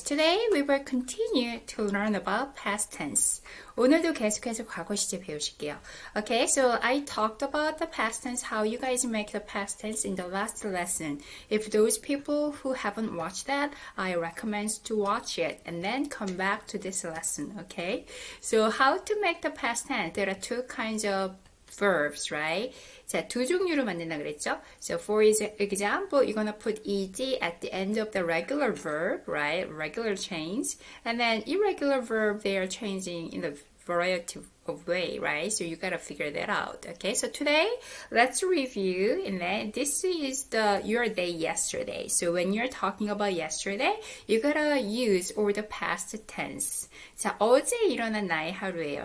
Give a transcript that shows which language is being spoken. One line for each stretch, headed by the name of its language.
English: Today we will continue to learn about past tense.
Korean: 오늘도 계속해서 과거 시제 배우실게요.
English: Okay, so I talked about the past tense, how you guys make the past tense in the last lesson. If those people who haven't watched that, I recommend to watch it and then come back to this lesson, okay? So how to make the past tense? There are two kinds of verbs, right?
Korean: 자, 두 종류로 만든다 그랬죠?
English: So for example, you're gonna put ed at the end of the regular verb, right? Regular change. And then irregular verb, they are changing in a variety of way, right? So you gotta figure that out, okay? So today, let's review, and then this is the your day yesterday. So when you're talking about yesterday, you gotta use or the past tense.
Korean: 자, 어제 일어난 나의 하루예요.